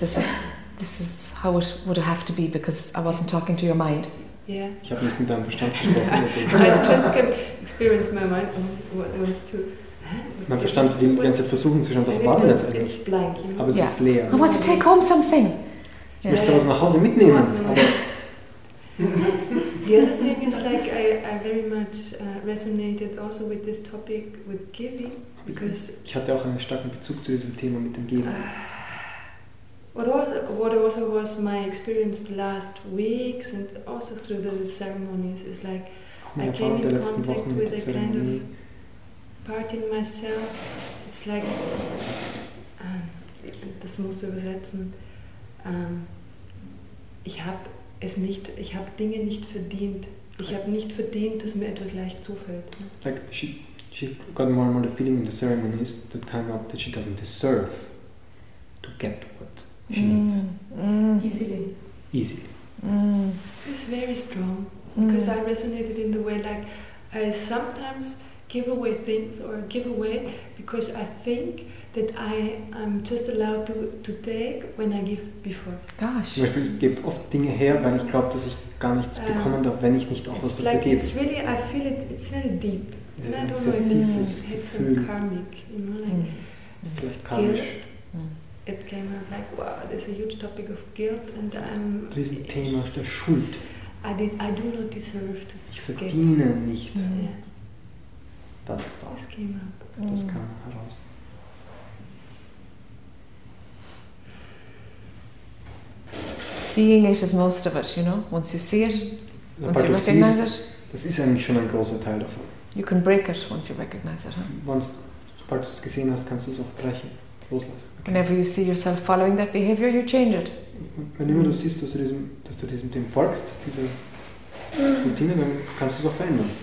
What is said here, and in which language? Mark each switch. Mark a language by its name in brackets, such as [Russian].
[English] This is how it would have to be because I wasn't talking to your mind. Yeah. [German] Ich habe nicht mit deinem Verstand gesprochen. [English] I just can experience my mind what it was to. [German] Mein Verstand will die ganze Zeit versuchen zu schauen, was war denn jetzt eigentlich? [English] It's blank, you know? [German] Aber es ist leer. [English] I want to take home something. [German] Ich möchte was nach Hause mitnehmen. [English] The other thing is like I very much resonated also with this topic with giving because [German] ich hatte auch einen starken Bezug zu diesem Thema mit dem Geben. [English] What also was my experience the last weeks and also through the ceremonies is like I came in contact with a kind of part in myself. It's like [German] das musst du übersetzen. Ich habe Dinge nicht verdient. Ich habe nicht verdient, dass mir etwas leicht zufällt. [English] Like she got more and more the feeling in the ceremonies that came up that she doesn't deserve to get what she needs. Easily. It's very strong because I resonated in the way like I sometimes give away things or give away because I think that I am just allowed to take when I give before. Gosh. [German] Zum Beispiel, ich gebe oft Dinge her, weil ich glaube, dass ich gar nichts bekommen darf, wenn ich nicht auch was dafür gebe. [English] It's really, I feel it's very deep. It's a deep Gefühl. It's karmic, you know, like [German] vielleicht karmisch. [English] It came out like, wow, there's a huge topic of guilt and I'm... [German] Riesenthema ist der Schuld. [English] I do not deserve to [German] get. Ich verdiene nicht. Das da. [English] This came up. [German] Das kam heraus. [English] Seeing it is most of it, you know. Once you see it, once you recognize it, [German] das ist eigentlich schon ein großer Teil davon. [English] You can break it once you recognize it. Huh? [German] Sobald du es gesehen hast, kannst du es auch brechen, loslassen. [English] Okay. Whenever you see yourself following that behavior, you change it. [German] Wenn immer du siehst, dass du diesem folgst, diese Routine, dann kannst du es auch verändern.